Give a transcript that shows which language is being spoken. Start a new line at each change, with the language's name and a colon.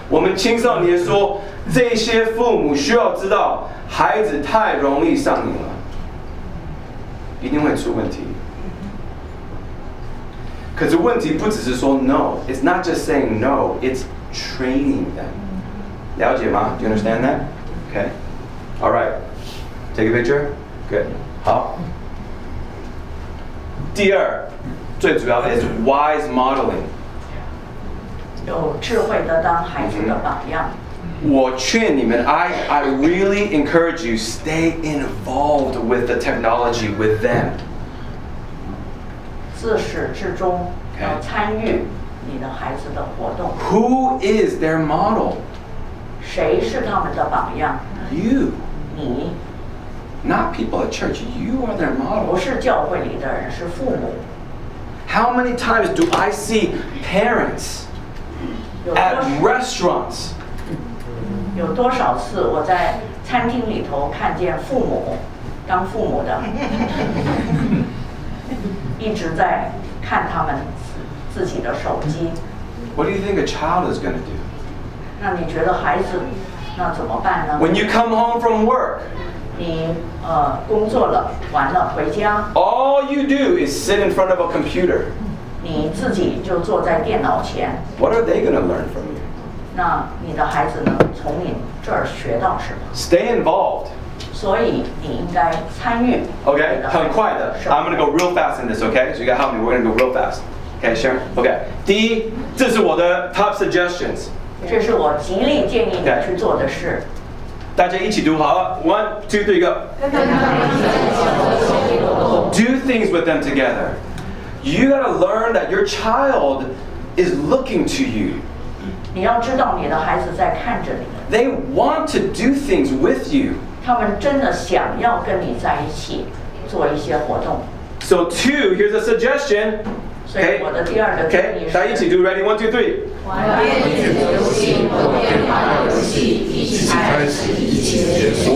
Chinese: 我们青少年说，这些父母需要知道。孩子太容易上瘾了，一定会出问题。可是问题不只是说
English: no， it's not just saying no， it's training them。
Chinese: 了解吗？
English: Do you understand that？ Okay， all right， take a picture， good，
Chinese: 好。第二，最主要的
English: is wise modeling，
Chinese: 有智慧的当孩子的榜样。我劝你们
English: I really encourage you stay involved with the technology with them
Chinese: 自始至终要参与你的孩子的活动。
English: Who is their model?
Chinese: 谁是他们的榜样？
English: You.
Chinese: 你。
English: Not people at church, you are their model.
Chinese: 不是教会里的人，是父母。
English: How many times do I see parents at restaurants?
Chinese: 有多少次我在餐厅里头看见父母当父母的一直在看他们自己的手机。
English: What do you think a child is going to do?
Chinese: 那你觉得孩子那怎么办呢？
English: When you come home from work,
Chinese: 你工作了完了回家。
English: All you do is sit in front of a computer.
Chinese: 你自己就坐在电脑前。
English: What are they going to learn from you?
Chinese: 那你的孩子呢从你这儿学到什么？
English: Stay involved.
Chinese: 所以你应该参与。 Okay, 很快的。
English: I'm gonna go real fast in this, okay? So you gotta help me, we're gonna go real fast. Okay, sure. Okay,
Chinese: 第一，这是我的
English: top suggestions.
Chinese: 这是我极力建议你去做的事。大家一起读好了。
English: One, two, three, go. Do things with them together. You gotta learn that your child is looking to you.
Chinese: 你要知道你的孩子在看着你。
English: They want to do things with you.
Chinese: 他们真的想要跟你在一起做一些活动。
English: So two, here's a suggestion.
Chinese: 所以我的第二个建议是。大家一起
English: do ready, one, two, three.
Chinese: 玩电子游戏或电话游戏，一起开始，一起结束。